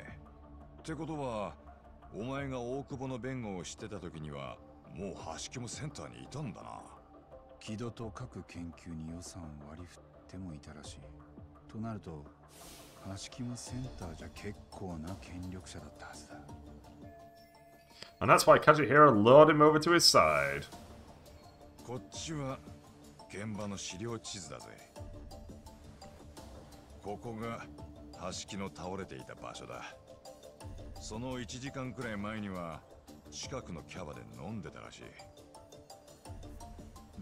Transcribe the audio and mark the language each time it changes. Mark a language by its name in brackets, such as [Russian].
[Japanese] ってことはお前が大久保の弁護をしてた時にはもう橋木もセンターにいたんだな。木戸と各研究に予算を割り振ってもいたらしい。となると橋木もセンターじゃ結構な権力者だったはずだ。 [English] And that's why Kajihiro lured him over to his side. [Japanese] こっちは現場の資料地図だぜ。ここが橋木の倒れていた場所だ。その1時間くらい前には近くのキャバで飲んでたらしい。